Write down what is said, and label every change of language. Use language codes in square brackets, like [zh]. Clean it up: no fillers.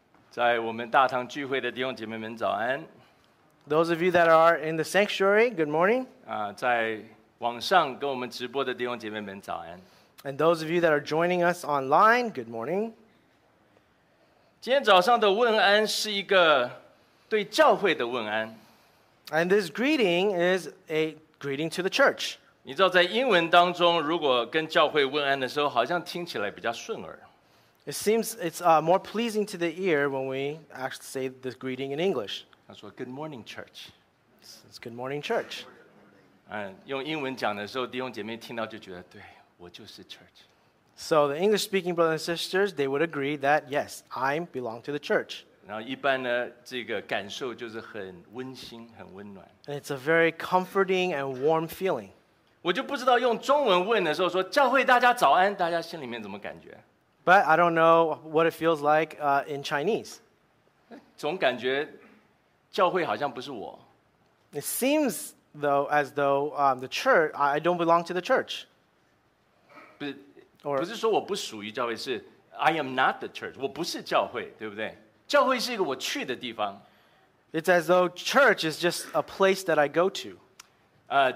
[zh] 在我们大堂聚会的弟兄姐妹们早安。 [en] Those of you that are in the sanctuary, good morning. [zh] 在网上跟我们直播的弟兄姐妹们早安。 [en] And those of you that are joining us online, good morning. [zh] 今天早上的问安是一个对教会的问安。 [en] And this greeting is a greeting to the church. [zh] 你知道在英文当中如果跟教会问安的时候好像听起来比较顺耳。 [en] It seems it's more pleasing to the ear when we actually say this greeting in English. [zh] 他说 [en] good morning church. It's good morning church. [zh] 用英文讲的时候弟兄姐妹听到就觉得对我就是 church. [en] So the English speaking brothers and sisters, they would agree that yes, I belong to the church. [zh] 然后一般呢，这个感受就是很温馨很温暖。 [en] And it's a very comforting and warm feeling. [zh] 我就不知道用中文问的时候说教会大家早安大家心里面怎么感觉 [en] But I don't know what it feels like in Chinese [zh] 总感觉教会好像不是我 [en] It seems though as though the church I don't belong to the church [zh] 不是说我不属于教会是 [en] I am not the church [zh] 我不是教会对不对教会是一个我去的地方 [en] It's as though church is just a place that I go to